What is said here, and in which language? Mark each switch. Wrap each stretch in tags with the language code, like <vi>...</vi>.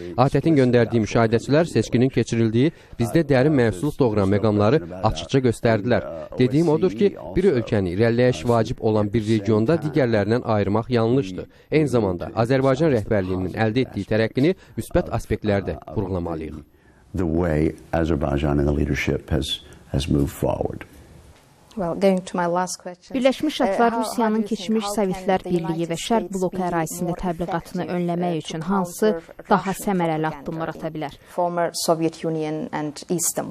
<az>ATƏT-in göndərdiyi müşahidəçilər seçkinin keçirildiyi bizdə dərin məyusluq doğuran məqamları açıqca göstərdilər. Dediyim odur ki, bir ölkəni irəliləyiş vacib olan bir regionda digərlərindən ayırmaq yanlışdır. Eyni zamanda Azərbaycan rəhbərliyinin əldə etdiyi tərəqqini müsbət aspektlərdə vurğulamalıyıq.</az> <en>The way Azerbaijan and the leadership has moved forward. Well, going to my last question.</en> <az>Birləşmiş Ştatlar Rusiyanın keçmiş Sovetlər Birliyi və Şərq bloku ərazisində təbliğatını önləmək üçün hansı daha səmərəli addımlar ata bilər?</az> <en>Former Soviet Union and Eastern</en>